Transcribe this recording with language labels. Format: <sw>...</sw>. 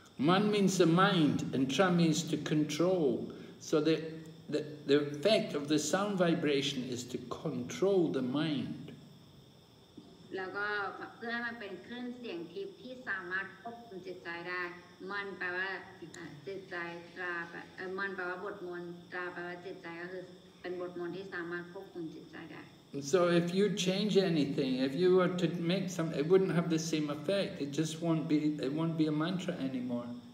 <en>Man means the mind and tra means to control so the effect of the sound vibration is to control the mind</en> <th>แล้วก็เพื่อให้มันเป็นคลื่นเสียงทิพย์ที่สามารถควบคุมจิตใจได้</th> <en>So if you change anything, if you were to make some, it wouldn't have the same effect. It just won't be. It won't be a mantra anymore.</en>